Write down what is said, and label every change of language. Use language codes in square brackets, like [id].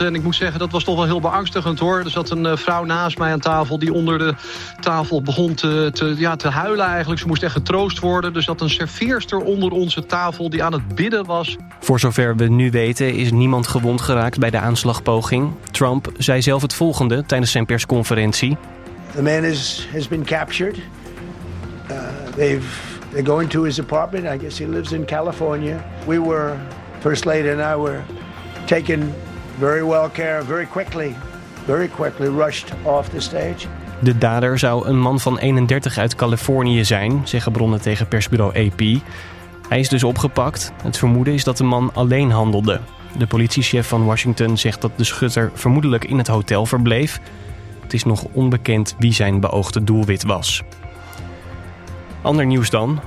[nl] En ik moet zeggen, dat was toch wel heel beangstigend hoor. Er zat een vrouw naast mij aan tafel die onder de tafel begon te huilen eigenlijk. Ze moest echt getroost worden. Er zat een serveerster onder onze tafel die aan het bidden was. Voor zover we nu weten is niemand gewond geraakt bij de aanslagpoging. Trump zei zelf het volgende tijdens zijn persconferentie. [en] The man has been captured. They're going to his apartment. I guess he lives in California. We were, First Lady and I were taken very well care, very quickly rushed off the stage. [nl] De dader zou een man van 31 uit Californië zijn, zeggen bronnen tegen persbureau AP. Hij is dus opgepakt. Het vermoeden is dat de man alleen handelde. De politiechef van Washington zegt dat de schutter vermoedelijk in het hotel verbleef. Het is nog onbekend wie zijn beoogde doelwit was. Ander nieuws dan.